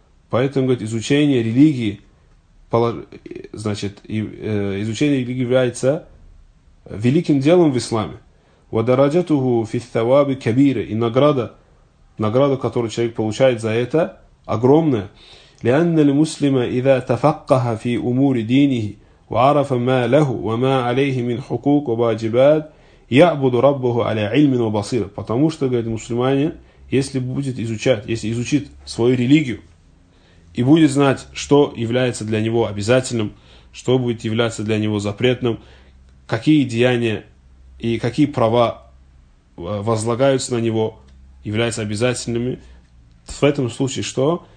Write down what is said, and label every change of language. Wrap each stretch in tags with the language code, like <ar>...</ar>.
<ru>Поэтому, говорит, изучение религии, значит, изучение религии является великим делом в исламе.</ru> <ar>«Вадараджатуху фил тавабе кабире».</ar> <ru>И награда, которую человек получает за это, огромная.</ru> <ar>لأن المسلم إذا تفقه في أمور دينه وعرف ما له وما عليه من حقوق وواجبات يعبد ربه على علم وبصيرة.</ar> <ru>Потому что, говорит, мусульманин, если будет изучать, если изучит свою религию и будет знать, что является для него обязательным, что будет являться для него запретным, какие деяния и какие права возлагаются на него, являются обязательными, в этом случае что?</ru>